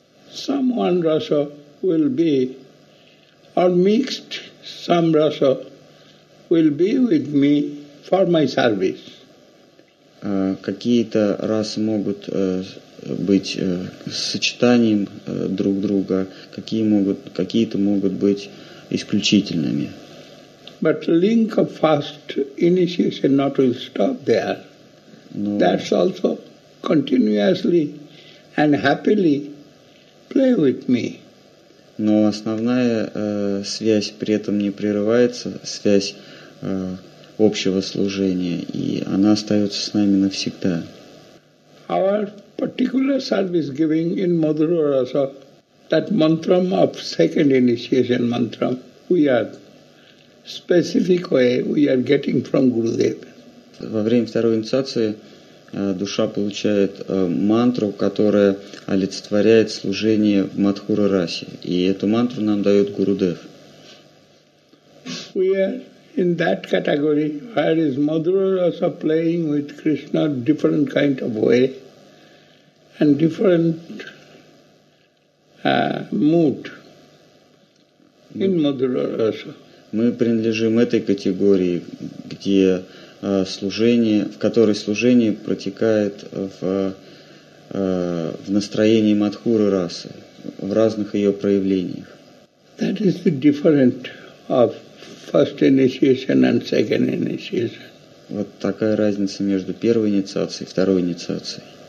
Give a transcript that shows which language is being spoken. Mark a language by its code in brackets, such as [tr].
[en] Some one rasa will be, or mixed some rasa will be with me for my service. [ru] Какие-то расы могут быть сочетанием друг друга, какие-то могут быть исключительными. [en] But link of first initiation not will stop there. No. That's also continuously and happily play with me. [ru] Но основная связь при этом не прерывается, связь общего служения, и она остается с нами навсегда. [en] Our particular service giving in Madhura Rasa, that mantra of second initiation mantra, we are getting from Gurudev. [ru] Во время второй инициации душа получает мантру, которая олицетворяет служение в Мадхура Расе. И эту мантру нам дает Гурудев. [en] We are in that category where is Madhura Rasa playing with Krishna different kind of way. And different mood in Madhura Rasa. [ru] Мы принадлежим этой категории, где служение, в которой служение протекает в настроении Мадхуры Расы, в разных ее проявлениях. [en] That is the difference of first initiation and second initiation. [ru] Вот такая разница между первой инициацией и второй инициацией.